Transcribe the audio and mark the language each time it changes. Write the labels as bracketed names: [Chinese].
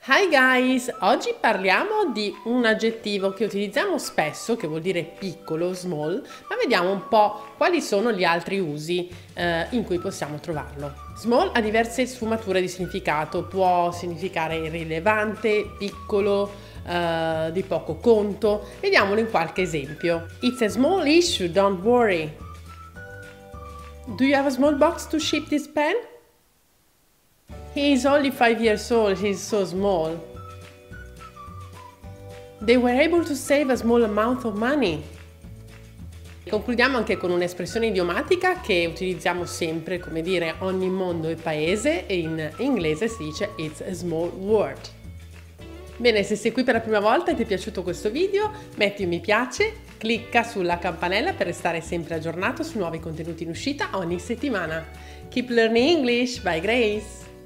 [Italian] Guys, oggi parliamo di un aggettivo che utilizziamo spesso, che vuol dire piccolo, small, ma vediamo un po' quali sono gli altri usi in cui possiamo trovarlo. Small ha diverse sfumature di significato, può significare irrilevante, piccolo, di poco conto. Vediamolo in qualche esempio. [English] It's a small issue, don't worry. Do you have a small box to ship this pen? He is only 5 years old, he's so small. They were able to save a small amount of money. [Italian] Concludiamo anche con un'espressione idiomatica che utilizziamo sempre, come dire, ogni mondo e paese, e in inglese si dice [English] it's a small world. [Italian] Bene, se sei qui per la prima volta e ti è piaciuto questo video, metti un mi piace, clicca sulla campanella per restare sempre aggiornato su nuovi contenuti in uscita ogni settimana. [English] Keep learning English by Grace!